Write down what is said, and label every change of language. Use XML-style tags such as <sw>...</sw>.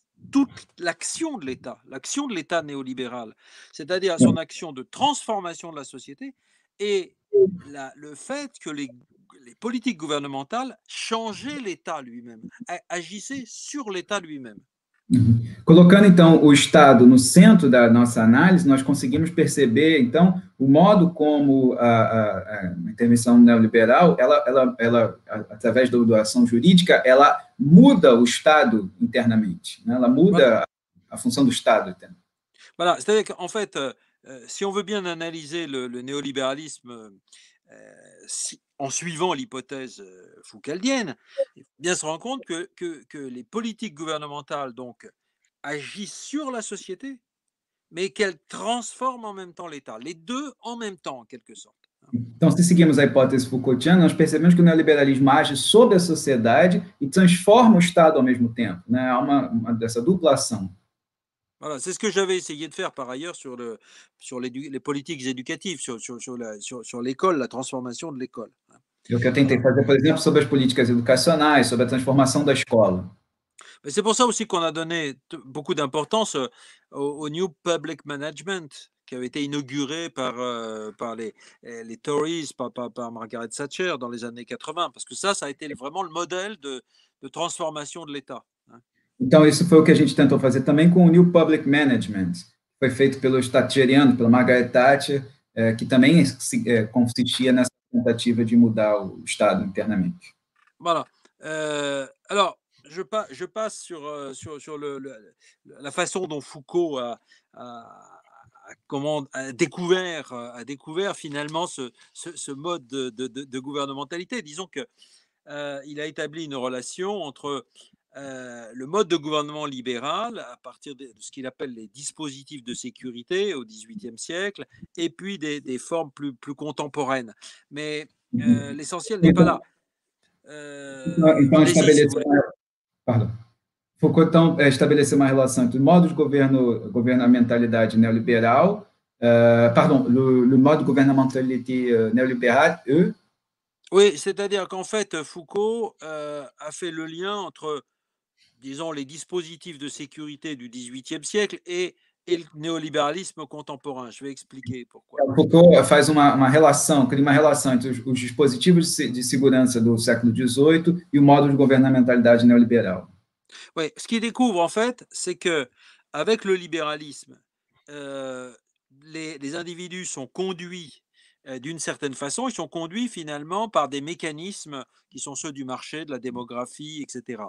<fr>toute l'action de l'État néolibéral, c'est-à-dire son action de transformation de la société et le fait que les politiques gouvernementales changeaient l'État lui-même, agissaient sur l'État lui-même.</fr> <pt>Colocando então o Estado no centro da nossa análise, nós conseguimos perceber então o modo como a intervenção neoliberal, através da ação jurídica, ela muda o Estado internamente, né? Ela muda a função do Estado internamente.</pt> <fr>Voilà, c'est-à-dire qu'en fait, si on veut bien analyser le néolibéralisme si, en suivant l'hypothèse foucauldienne, bien se rendre compte que les politiques gouvernementales donc agissent sur la société, mais qu'elles transforment en même temps l'État, les deux en même temps en quelque sorte.</fr> <pt>Então, se seguimos a hipótese Foucaultiana, nós percebemos que o neoliberalismo age sobre a sociedade e transforma o Estado ao mesmo tempo, né? Há uma dessa dupla ação.</pt> <fr>Voilà, c'est ce que j'avais essayé de faire par ailleurs sur les politiques éducatives, sur l'école, la transformation de l'école.</fr> <pt>O que eu tentei fazer, por exemplo, sobre as políticas educacionais, sobre a transformação da escola.</pt> <fr>C'est pour ça aussi qu'on a donné beaucoup d'importance au New Public Management qui avait été inauguré par les Tories, par Margaret Thatcher dans les années 80, parce que ça a été vraiment le modèle de transformation de l'État.</fr> <pt>Então, isso foi o que a gente tentou fazer também com o New Public Management, que foi feito pelo thatcheriano, pela Margaret Thatcher, que também consistia nessa tentativa de mudar o Estado internamente.</pt> <fr>Voilà. Alors, je passe sur la façon dont Foucault a découvert finalement ce mode de gouvernementalité. Disons que il a établi une relation entre le mode de gouvernement libéral à partir de ce qu'il appelle les dispositifs de sécurité au XVIIIe siècle et puis des formes plus contemporaines. Mais l'essentiel n'est pas là.</fr> <pt>Então,</pt> <fr>Allez-y, si vous voulez.</fr> <pt>Foucault então, estabeleceu uma relação entre o modo de governamentalidade neoliberal,</pt> <fr>pardon, le mode de governamentalité néolibérale, Oui, c'est-à-dire qu'en fait, Foucault a fait le lien entre, disons, les dispositifs de sécurité du XVIIIe siècle et le néolibéralisme contemporain. Je vais expliquer pourquoi.</fr> <pt>Foucault faz cria uma relação entre os dispositivos de segurança do século XVIII e o modo de governamentalidade neoliberal.</pt> <fr>Oui, ce qu'il découvre en fait, c'est que avec le libéralisme, les individus sont conduits d'une certaine façon, ils sont conduits finalement par des mécanismes qui sont ceux du marché, de la démographie, etc.</fr>